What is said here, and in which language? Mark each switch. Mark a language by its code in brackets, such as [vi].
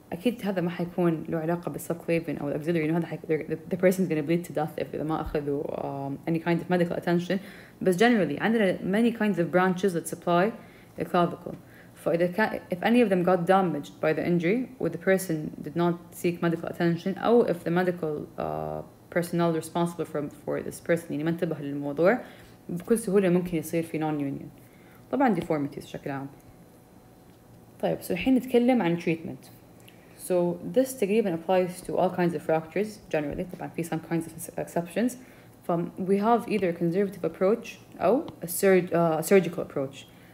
[ar] أكيد هذا ما حيكون له علاقة بالsubclavian أو auxiliary. إنه هذا [en] the person is gonna bleed to death if [ar] إذا ما أخذوا [en] any kind of medical attention. But generally, عندنا many kinds of branches that supply the clavicle. If any of them got damaged by the injury, or the person did not seek medical attention, or if the medical personnel responsible for this person, [ar] يعني ما انتبه للموضوع. بكل سهولة ممكن يصير في non-union. طبعاً deformities بشكل عام. [en] طيب, so [ar] الحين نتكلم عن [en] treatment. So this تقريباً applies to all kinds of fractures generally. [ar] طبعاً في [en] some kinds of exceptions. From we have either a conservative approach أو a surgical approach.